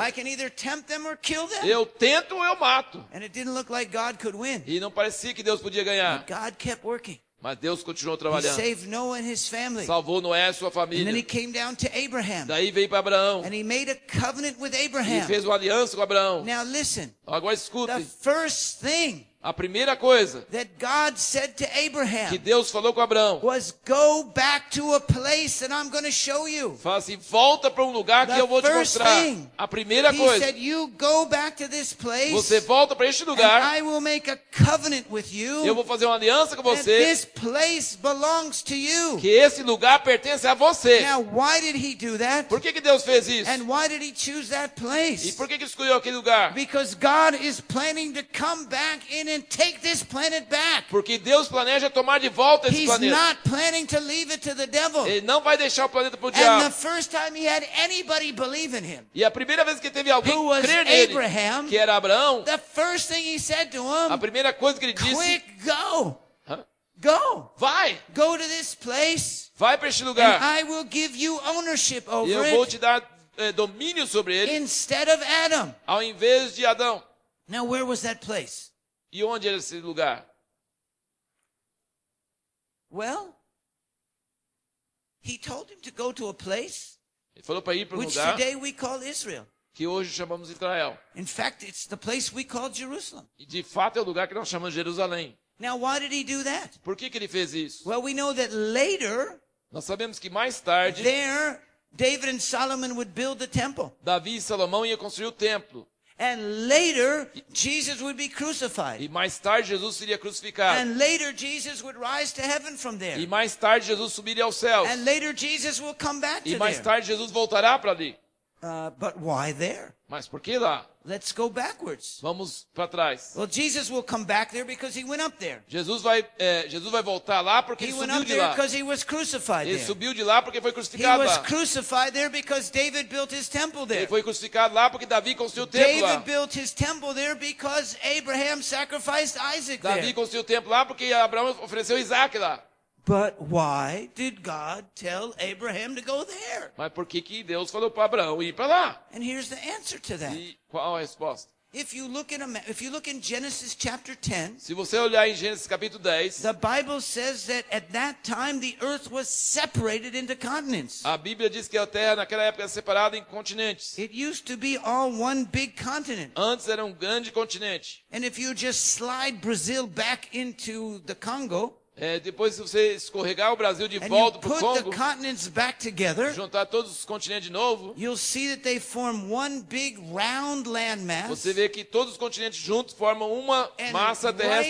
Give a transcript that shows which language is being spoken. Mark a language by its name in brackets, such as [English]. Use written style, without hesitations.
[English] I can either tempt them or kill them. [Portuguese] Eu tento ou eu mato. [English] And it didn't look like God could win. [Portuguese] E não parecia que Deus podia ganhar. [English] God kept working. [Portuguese] Mas Deus continuou trabalhando. [English] He saved Noah and his family. [Portuguese] Salvou Noé e sua família. [English] And then he came down to Abraham. [Portuguese] Daí veio para Abraão. [English] And he made a covenant with Abraham. [Portuguese] E fez uma aliança com Abraão. [English] Now listen. [Portuguese] Agora escute. [English] The first thing, [Portuguese] a primeira coisa, [English] that God said to Abraham, [Portuguese] que Deus falou com Abraão, [English] was go back to a place that I'm going to show you. [Portuguese] Fala assim, volta para um lugar que eu vou te mostrar. [English] Thing, [Portuguese] a primeira [English] he [Portuguese] coisa, [English] said, you go back to this place, [Portuguese] você volta para este lugar, [English] and I will make a covenant with you, [Portuguese] eu vou fazer uma aliança com você, [English] this place belongs to you. [Portuguese] Que esse lugar pertence a você. [English] Now, why did he do that? [Portuguese] Por que Deus fez isso? [English] And why did he choose that place? [Portuguese] E por que escolheu aquele lugar? [English] Because God is planning to come back in and take this planet back. [Portuguese] Porque Deus planeja tomar de volta esse [English] He's [Portuguese] planeta. [English] Not planning to leave it to the devil. [Portuguese] Ele não vai deixar o planeta para o diabo. [English] And the first time he had anybody believe in him, [Portuguese] e a primeira vez que teve alguém [English] who [Portuguese] crer [English] was [Portuguese] nele, [English] Abraham, [Portuguese] que era Abraão, [English] the first thing he said to him, [Portuguese] a primeira coisa que ele disse, [English] quick, go. Go. [Portuguese] Vai. [English] Go to this place, [Portuguese] vai para este lugar. [English] And I will give you ownership over [Portuguese] e eu vou te dar domínio sobre ele, [English] instead of Adam. [Portuguese] Ao invés de Adão. [English] Now, where was that place? [Portuguese] E onde era esse lugar? [English] Well, he told him to go to a place, [Portuguese] ele falou para ir para um [English] which [Portuguese] lugar [English] today we call Israel. [Portuguese] Que hoje chamamos Israel. [English] In fact, it's the place we call Jerusalem. [Portuguese] E de fato é o lugar que nós chamamos Jerusalém. [English] Now, why did he do that? [Portuguese] Por que ele fez isso? [English] Well, we know that later, [Portuguese] nós sabemos que mais tarde [English] there, David and Solomon would build the temple. [Portuguese] Davi e Salomão iam construir o templo. [English] And later, Jesus would be crucified. [Portuguese] E mais tarde Jesus seria crucificado. [English] And later, Jesus would rise to heaven from there. [Portuguese] E mais tarde Jesus subiria aos céus. [English] And later, Jesus will come back to there. [Portuguese] E mais tarde Jesus voltará para ali. [English] But why there? [Portuguese] Mas por que lá? [English] Let's go backwards. [Portuguese] Vamos para trás. [English] Well, Jesus will come back there because he went up there. [Portuguese] Jesus vai voltar lá porque [English] he [Portuguese] ele subiu [English] went up [Portuguese] de [English] there [Portuguese] lá. [English] Because he was crucified [Portuguese] ele [English] there. [Portuguese] Subiu de lá porque foi crucificado [English] he [Portuguese] lá. [English] He was crucified there because David built his temple there. [Portuguese] Ele foi crucificado lá porque Davi construiu o [English] David [Portuguese] templo lá. [English] David built his temple there because Abraham sacrificed Isaac [Portuguese] Davi [English] there. [Portuguese] Davi construiu o templo lá porque Abraão ofereceu Isaac lá. [English] But why did God tell Abraham to go there? [Portuguese] Mas por que Deus falou para Abraão ir para lá? [English] And here's the answer to that. [Portuguese] E qual a resposta? [English] If you look in Genesis chapter 10, [Portuguese] se você olhar em Gênesis capítulo 10, [English] the Bible says that at that time the earth was separated into continents. [Portuguese] A Bíblia diz que a Terra naquela época era separada em continentes. [English] It used to be all one big continent. [Portuguese] Antes era um grande continente. [English] And if you just slide Brazil back into the Congo, [Portuguese] Depois se você escorregar o Brasil de volta para o Congo, [English] the continents back together, [Portuguese] juntar todos os continentes de novo, [English] you'll see that they form one big round landmass, [Portuguese] você vê que todos os continentes juntos formam uma massa terrestre